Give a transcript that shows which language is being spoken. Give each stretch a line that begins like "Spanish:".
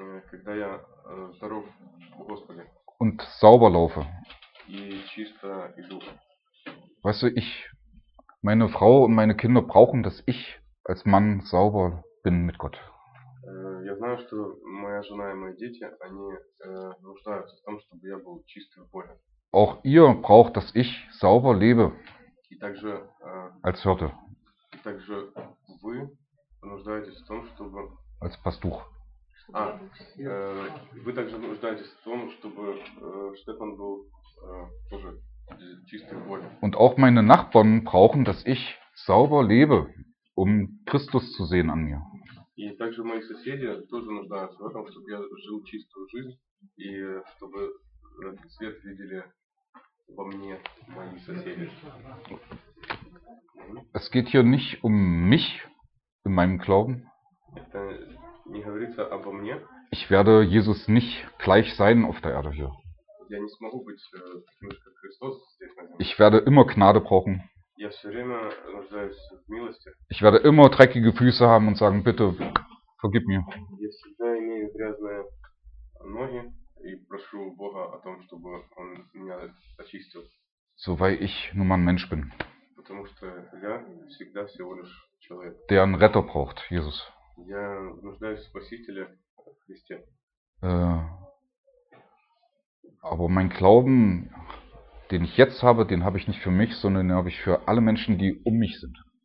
Russian: Когда я здоров в Господе.
German: Und sauber laufe.
Russian: И чисто иду.
German: Weißt du, ich, meine Frau und meine Kinder brauchen, dass ich als Mann sauber bin mit Gott.
Russian: Я знаю, что моя жена и мои дети, они нуждаются в том, чтобы я был чистым в Боге.
German: Auch ihr braucht, dass ich sauber lebe.
Russian: И также,
German: als Hirte.
Russian: И также вы нуждаетесь в том, чтобы...
German: Als Pastuch.
Russian: Вы также нуждаетесь в том, чтобы Стефан был тоже чистым Богом.
German: Und auch meine Nachbarn brauchen, dass ich sauber lebe, um Christus zu sehen an mir.
Russian: И также мои соседи тоже нуждаются в этом, чтобы я жил чистую жизнь и чтобы свет видели во мне мои соседи.
German: Es geht hier nicht um mich in meinem Glauben.
Russian: Не говорится обо мне.
German: Ich werde Jesus nicht gleich sein auf der Erde hier.
Russian: Я не смогу быть таким же, как Христос.
German: Ich werde immer Gnade brauchen.
Russian: Я все время нуждаюсь в милости.
German: Ich werde immer dreckige Füße haben und sagen, bitte, vergib mir.
Russian: Я всегда имею грязные ноги и прошу Бога о том, чтобы он меня очистил.
German: So, weil ich nun mal ein Mensch bin.
Russian: Потому что я всегда всего лишь человек.
German: Der einen Retter braucht, Jesus.
Russian: Я нуждаюсь в Спасителе Христе.
German: Aber mein Glauben, den ich jetzt habe, den habe ich nicht für mich, sondern den habe ich für alle Menschen, die um mich sind.